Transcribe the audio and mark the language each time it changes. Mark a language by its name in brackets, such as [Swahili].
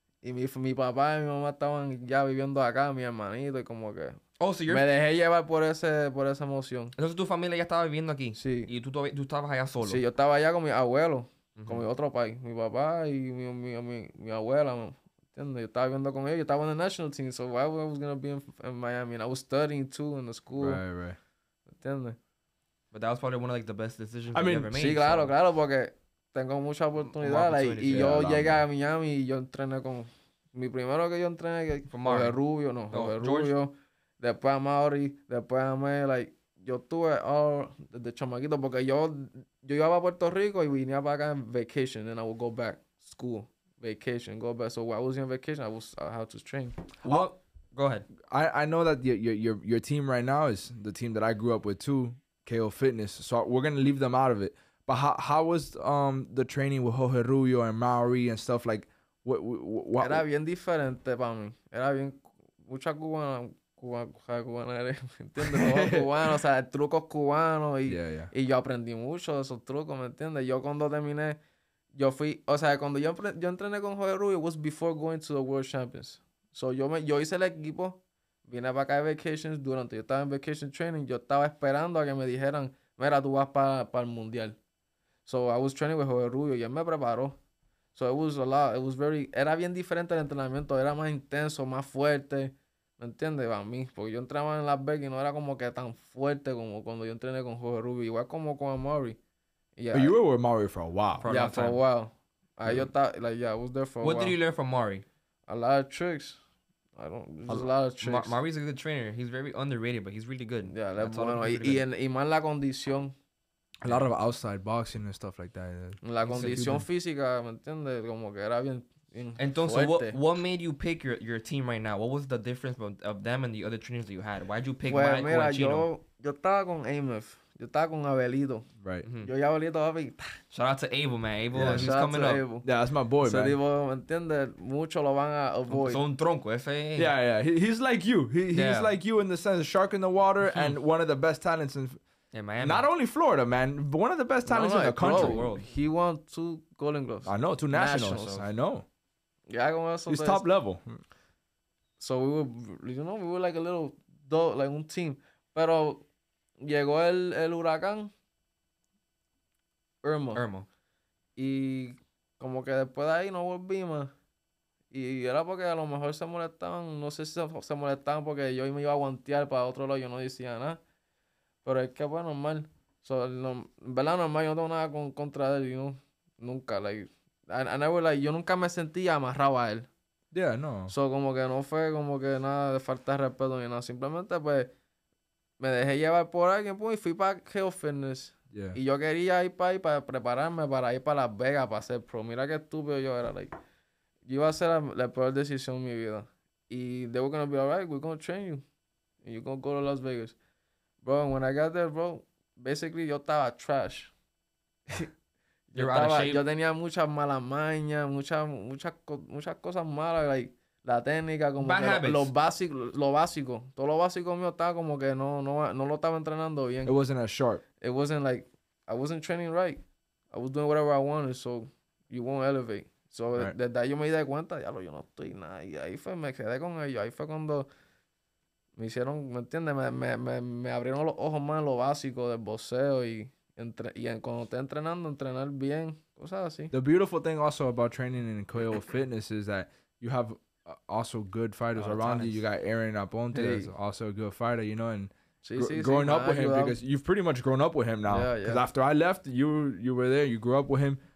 [Spanish] Y mi papá y mi mamá estaban ya viviendo acá, mi hermanito, y como que. [English] Oh, so you're. [Spanish] Me dejé llevar por esa emoción. Entonces tu familia ya estaba viviendo aquí. Sí. Y tú estabas allá solo. Sí, yo estaba allá con mi abuelo. Uh-huh. Con mi otro país, mi papá y mi abuela, ¿me entiendes? Yo estaba viendo con ellos, yo estaba en el [English] national team, so why was I going to be in Miami? And I was studying too in the school. Right. [Spanish] ¿Me entiendes? [English] But that was probably one of like the best decisions I ever made. [Spanish] Sí, claro, porque tengo mucha oportunidad. Like, y yo llegué a Miami y yo entrené con. Mi primero que yo entrené, Jorge Rubio, Rubio. Después a Maury, después a Mel, like. Yo estuve desde chamaquito porque yo iba a Puerto Rico y venía para acá en vacation. [English] Then I would go back, school, vacation, go back. So while I was in vacation, I had to train. Well, go ahead. I know that your team right now is the team that I grew up with too, KO Fitness. So we're going to leave them out of it. But how was the training with Jorge Rubio and Maury and stuff like? [Spanish] Era bien diferente para mí. Era bien, mucha cubana. Cubana, ¿me entiendes? Cubano, o sea, trucos cubanos y yo aprendí mucho de esos trucos, ¿me entiendes? Yo cuando terminé, yo fui, o sea, cuando yo entrené con Jorge Rubio, it was before going to the World Champions. So yo hice el equipo, vine para acá de vacations, durante yo estaba en vacation training, yo estaba esperando a que me dijeran, mira, tú vas para el Mundial. [English] So I was training with Jorge Rubio [Spanish] y él me preparó. [English] So it was a lot, it was very, [Spanish] era bien diferente el entrenamiento, era más intenso, más fuerte. ¿Me entiendes? Para mí. Porque yo entrenaba en Las Vegas y no era como que tan fuerte como cuando yo entrené con Jorge Rubio. Igual como con Maury. [English] Yeah. But you were with Maury for a while. For a while. What did you learn from Maury? A lot of tricks. A lot of tricks. Maury's a good trainer. He's very underrated, but he's really good. Yeah, that's [Spanish] bueno. Y más la condición. [English] A lot of outside boxing and stuff like that. [Spanish] La condición física, ¿me entiendes? Como que era bien. [English] Entonces, what made you pick your team right now? What was the difference of them and the other trainers that you had? Why did you pick Mike [Spanish] Mira, and Chino? Yo estaba con AMF. Yo estaba con Abelito. [English] Right. [Spanish] Mm-hmm. Yo y Abelito, papi. [English] Shout out to Abel, man. Abel, yeah, he's coming up. Abel. Yeah, that's my boy, so man. [Spanish] So, digo, ¿me entiendes? Mucho lo van a avoid. Son tronco, ese. [English] Yeah, yeah. He's like you. He's like you in the sense of shark in the water and one of the best talents in Miami. Not only Florida, man, but one of the best talents in the country. World. He won 2 Golden Gloves. I know, 2 Nationals. I know. Yeah, I go he's days. Top level. So we were, you know, we were like a little dope, like a team. Pero [Spanish] Llegó el huracán. Irma. Y como que después de ahí no volvimos. Y era porque a lo mejor se molestaban. No sé si se molestaban porque yo me iba a aguantear para otro lado. Yo no decía nada. Pero es que fue normal. Normal, yo no tengo nada contra él. [English] You know? [Spanish] Nunca. Yo nunca me sentí amarrado a él. [English] Yeah, no. [Spanish] So, como que no fue como que nada de falta de respeto ni nada. Simplemente, pues, me dejé llevar por alguien, pues, y fui para Hell Fitness. [English] Yeah. [Spanish] Y yo quería ir para ahí para prepararme para ir para Las Vegas para ser pro. Mira qué estúpido yo era. Yo iba a hacer la peor decisión de mi vida. [English] Y they were going to be like, alright, we're going to train you. And you're going to go to Las Vegas. Bro, and when I got there, bro, basically [Spanish] yo estaba [English] trash. [Spanish] Yo tenía muchas malas mañas, muchas cosas malas. La técnica, como [English] bad [Spanish] que lo básico. Todo lo básico mío estaba como que no lo estaba entrenando bien. [English] It wasn't as sharp. It wasn't like, I wasn't training right. I was doing whatever I wanted, so you won't elevate. So, right. [Spanish] Desde ahí yo me di cuenta, diablo, yo no estoy nada. Y ahí fue, me quedé con ellos. Ahí fue cuando me hicieron, ¿me entiendes? Me abrieron los ojos más en lo básico del boxeo y cuando estoy entrenando, entrenar bien, cosas así. [English] The beautiful thing also about training in Coyo Fitness is that you have also good fighters around you. You got Aaron Aponte, hey. That's also a good fighter, you know, and growing up with him, because you've pretty much grown up with him now. Because after I left, you were there, you grew up with him.